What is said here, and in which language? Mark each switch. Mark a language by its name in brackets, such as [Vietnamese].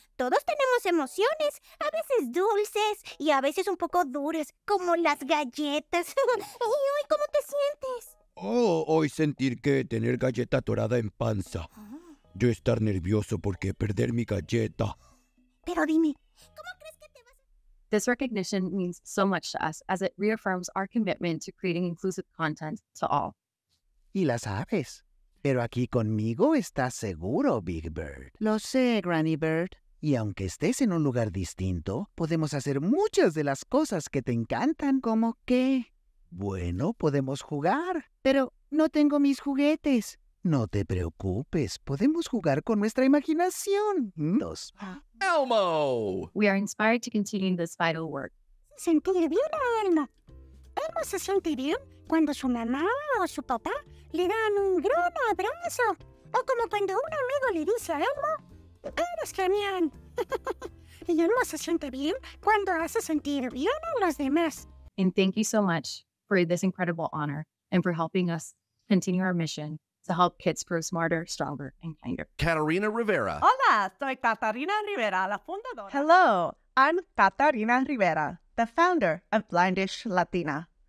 [Spanish] Todos tenemos emociones, a veces dulces y a veces un poco duras, como las galletas. ¿Y hoy cómo te sientes? Oh, hoy sentir que tener galleta atorada en panza. Yo estar nervioso porque perder mi galleta. Pero dime, ¿cómo crees que te vas a...? [English] This recognition means so much to us as it reaffirms our commitment to creating inclusive content to all. [Spanish] ¿Y las aves? Pero aquí conmigo estás seguro, Big Bird. Lo sé, Granny Bird. Y aunque estés en un lugar distinto, podemos hacer muchas de las cosas que te encantan. ¿Cómo qué? Bueno, podemos jugar. Pero no tengo mis juguetes. No te preocupes. Podemos jugar con nuestra imaginación. Dos. Elmo! [English] We are inspired to continue this vital work. [Spanish] Sentir bien a Elmo. Elmo se siente bien cuando su mamá o su papá le dan un gran abrazo. O como cuando un amigo le dice a Elmo, ¡eres genial! Y Elmo se siente bien cuando hace sentir bien a los demás. [English] And thank you so much for this incredible honor and for helping us continue our mission to help kids grow smarter, stronger, and kinder. Catarina Rivera. [Spanish] Hola, soy Catarina Rivera, la fundadora. [English] Hello, I'm Catarina Rivera, the founder of Blindish Latina.